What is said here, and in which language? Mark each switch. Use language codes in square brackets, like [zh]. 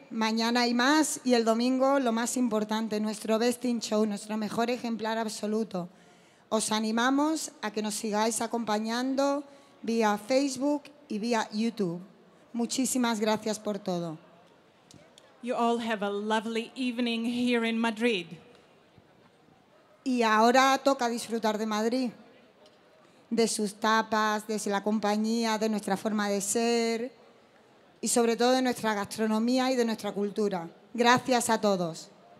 [es] Mañana hay más y el domingo lo más importante, nuestro Best in Show, nuestro mejor ejemplar absoluto. Os animamos a que nos sigáis acompañando vía Facebook y vía YouTube. Muchísimas gracias por todo. [en] You all have a lovely evening here in Madrid. [es] Y ahora toca disfrutar de Madrid. De sus tapas, de la compañía, de nuestra forma de ser y sobre todo de nuestra gastronomía y de nuestra cultura. Gracias a todos.